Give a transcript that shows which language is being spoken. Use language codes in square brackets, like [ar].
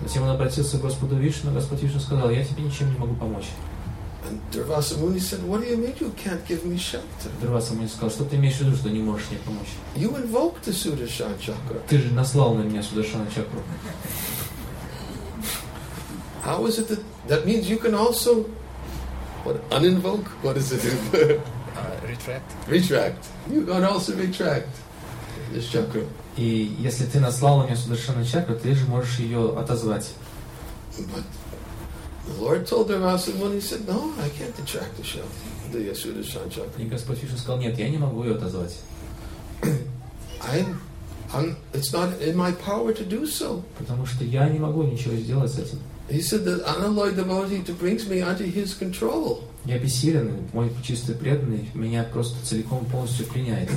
[ru] Затем он обратился к Господу Вишну, Господь Вишну сказал, "Я тебе ничем не могу помочь." [en] And Durvasa Muni said, "What do you mean you can't give me shelter?" [ru] Durvasa Muni сказал, что ты имеешь в виду, что не можешь мне помочь? [en] You invoked the Sudarshan Chakra. [ru] Ты же наслал на меня Сударшана Чакру. [en] How is it that means you can also uninvoke? What is it? Retract. Retract. You can also retract this chakra. [ru] И если ты наслал на меня Сударшана Чакру, ты же можешь ее отозвать. [en] But the Lord told Durvasa Muni, he said, "No, I can't attract the shelter, the Sudarshan Chakra." [ru] И Господь Вишну сказал, нет, я не могу ее отозвать. [en] It's not in my power to do so. [ru] Потому что я не могу ничего сделать с этим. [en] He said that unalloyed devotee to brings me under his control. [ru] Я бессилен, мой чистый преданный меня просто целиком полностью пленяет.